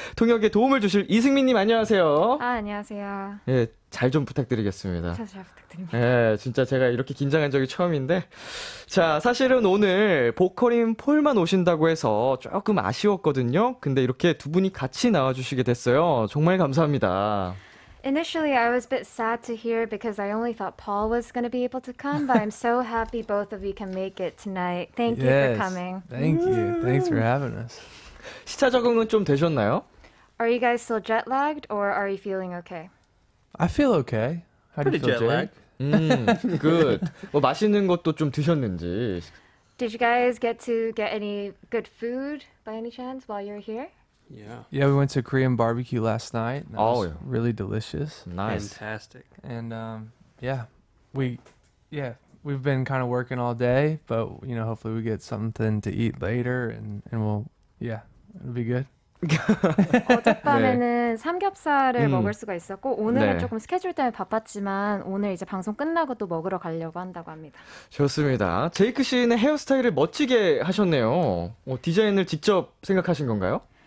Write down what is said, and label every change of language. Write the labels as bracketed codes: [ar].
[ko] 통역에 도움을 주실 이승민님, 안녕하세요. 아, 안녕하세요. 예, 잘 좀 부탁드리겠습니다. 잘 부탁드립니다. 예, 진짜 제가 이렇게 긴장한 적이 처음인데. 자, 사실은 오늘 보컬인 폴만 오신다고 해서 조금 아쉬웠거든요. 근데 이렇게 두 분이 같이 나와주시게 됐어요. 정말 감사합니다. [en] Initially, I was a bit sad to hear because I only thought Paul was going to be able to come, but I'm so happy both of you can make it tonight. Thank yes, you for coming. Thank you. Thanks for having us. [ko] 시차 적응은 좀 되셨나요? [en] Are you guys still jet lagged or are you feeling okay? I feel okay. How Pretty do you feel, jet lagged. Good. [ko] 뭐 맛있는 것도 좀 드셨는지. [en] Did you guys get to get any good food by any chance while you're here? Yeah, we went to Korean barbecue last night. And that was really delicious. Nice. Fantastic. And we've been kind of working all day, but you know, hopefully we get something to eat later and we'll yeah, it'll be good. [ko] 어젯밤에는 네. 삼겹살을 먹을 수가 있었고 오늘은 네. 조금 스케줄 때문에 바빴지만 오늘 이제 방송 끝나고 또 먹으러 가려고 한다고 합니다. 좋습니다. 제이크 씨는 헤어스타일을 멋지게 하셨네요. 디자인을 직접 생각하신 건가요?